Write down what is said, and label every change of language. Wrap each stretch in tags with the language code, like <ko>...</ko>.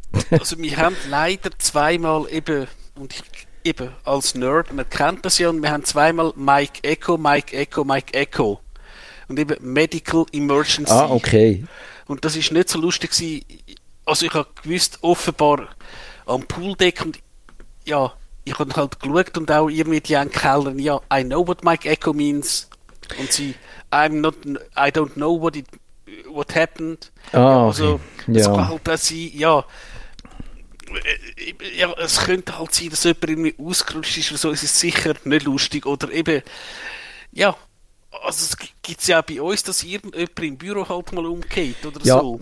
<de>Also wir haben leider zweimal eben, und ich eben als Nerd, man kennt das ja, und wir haben zweimal Mike Echo. Und eben Medical Emergency. Ah, okay. Und das ist nicht so lustig gewesen. Also ich habe gewusst, offenbar am Pooldeck und ja, ich habe halt geschaut und auch irgendwie die einen Kellern, ja,</de> <en>I know what Mike Echo means.</en> <de>Und sie,</de> <en>I don't know what happened.</en> <de>Okay. Also, es kann halt sein, ja, es könnte halt sein, dass jemand irgendwie ausgerutscht ist oder so, es ist sicher nicht lustig. Oder eben, ja, also es gibt es ja auch bei uns, dass irgendjemand im Büro halt mal umgeht oder ja, so.</de>